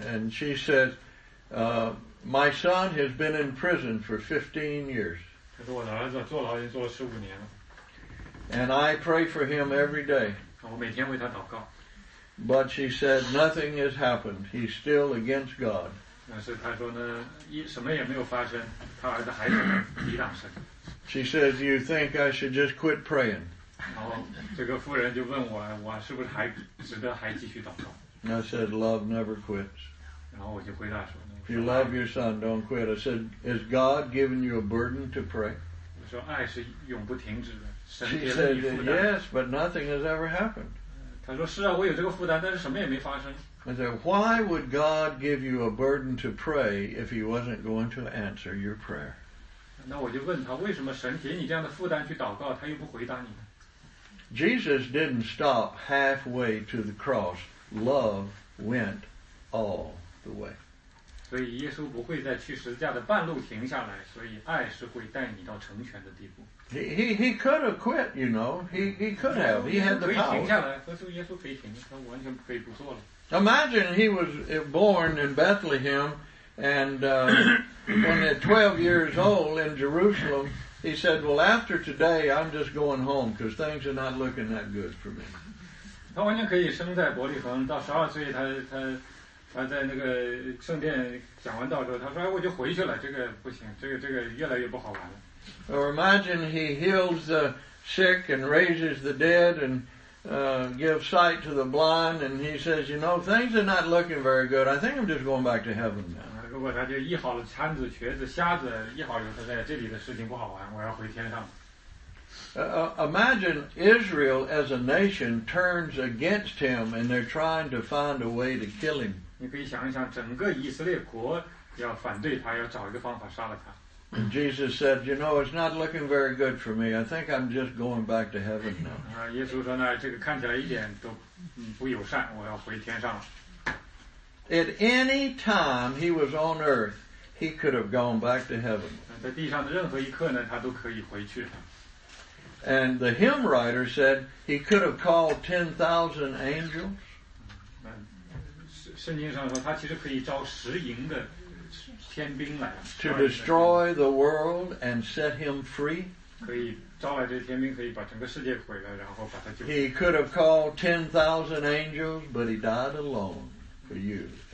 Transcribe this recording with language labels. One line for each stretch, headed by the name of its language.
English: And she said, my son has been in prison for 15 years.
Chinese: 他说我的儿子坐牢已经坐了15年了。
English: And I pray for him every day.
Chinese: 我每天为他祷告。
English: But she said, nothing has happened. He's still against God.
Chinese: 但是他说呢，什么也没有发生，他儿子还是抵挡神。
English: She says, you think I should just quit praying?
Chinese: 然后这个妇人就问我，我是不是还值得还继续祷告？
English: I said, love never quits.
Chinese: 然后我就回答说，
English: if you love your son, don't quit. I said, is God giving you a burden to pray?
Chinese: 我说爱是永不停止的。
English: She said, yes, but nothing has ever happened.
Chinese: 她说是啊，我有这个负担，但是什么也没发生。
English: I said, why would God give you a burden to pray if he wasn't going to answer your prayer?
Chinese: 那我就问他，为什么神给你这样的负担去祷告，他又不回答你呢？
English: Jesus didn't stop halfway to the cross. Love went all the way.
Chinese: 所以耶稣不会在去十字架的半路停下来，所以爱是会带你到成全的地步。
English: He could have quit, you know. He could have. He had the power.
Chinese: 可以停下来，耶稣耶稣可以停，他完全可以不做了。
English: Imagine he was born in Bethlehem, and when at 12 years old in Jerusalem, he said, well, after today, I'm just going home because things are not looking that good for me.
Chinese: 他完全可以生在伯利恒，到十二岁他在那个圣殿讲完道之后，他说，哎，我就回去了，这个不行，这个越来越不好玩了。
English: Or imagine he heals the sick and raises the dead and gives sight to the blind and he says, you know, things are not looking very good. I think I'm just going back to heaven now.
Chinese: 如果他就医好了瘫子、瘸子、瞎子，医好以后他在这里的事情不好玩，我要回天上。
English: Imagine Israel as a nation turns against him and they're trying to find a way to kill him.
Chinese: 你可以想一想，整个以色列国要反对他，要找一个方法杀了他。
English: And Jesus said, you know, it's not looking very good for me. I think I'm just going back to heaven now.
Chinese: 耶稣说呢，这个看起来一点都不友善，我要回天上了。
English: At any time he was on earth, he could have gone back to heaven.
Chinese: 在地上的任何一刻呢，他都可以回去。
English: And the hymn writer said he could have called 10,000 angels.
Chinese: 圣经上说他其实可以招十营的。
English: To destroy the world and set him free. He could have called 10,000 angels, but he died alone for you.